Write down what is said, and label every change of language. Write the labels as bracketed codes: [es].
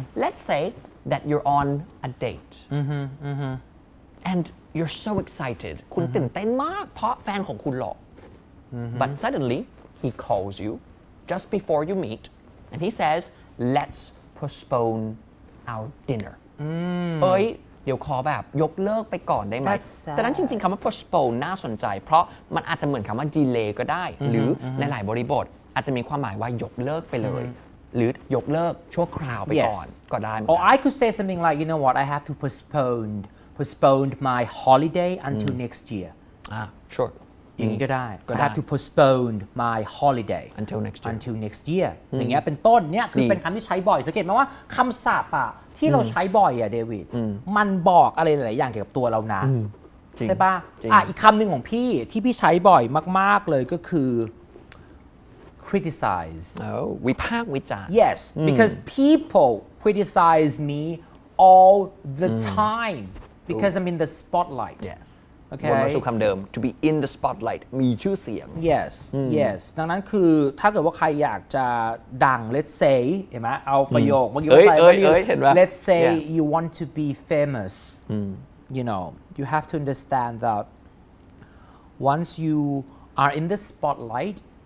[en] Let's say that you're on a date and you're so excited [th] คุณตื่นเต้นมากเพราะแฟนของคุณหลอก [en] but suddenly he calls you just before you meet and he says Let's postpone our dinner [th] เอ้ยเดี๋ยวขอแบบยกเลิกไปก่อนได้ไหมแต่นั้นจริงๆคำว่า postpone น่าสนใจเพราะมันอาจจะเหมือนคำว่า delay ก็ได้หรือในหลายบริบทอาจจะมีความหมายว่ายกเลิกไปเลยหรือยกเลิกชั่วคราวไปก่อนก็ได้ [en] Or I could say something like you know what I have to postpone my holiday until next year sure [th] อย่างนี้ก็ได้ [en] I have to postpone my holiday until next year [th] อย่างเงี้ยเป็นต้นเนี่ยคือเป็นคำที่ใช้บ่อยสังเกตไหมว่าคำศัพท์อะที่เราใช้บ่อยอะเดวิดมันบอกอะไรหลายอย่างเกี่ยวกับตัวเรานะใช่ป่ะอีกคำหนึ่งของพี่ที่พี่ใช้บ่อยมากๆเลยก็คือ criticize วิพากษ์วิจารณ์ [en] yes because people criticize me all the time because I'm in the spotlight yes okay [th] วนมาสู่คำเดิม [en] to be in the spotlight [th] มีชื่อเสียง yes yes ดังนั้นคือถ้าเกิดว่าใครอยากจะดัง [en] let's say [th] เห็นไหมเอาประโยค ม า อยู่ใส่ไว้ [en] let's say you want to be famous you know you have to understand that once you are in the spotlight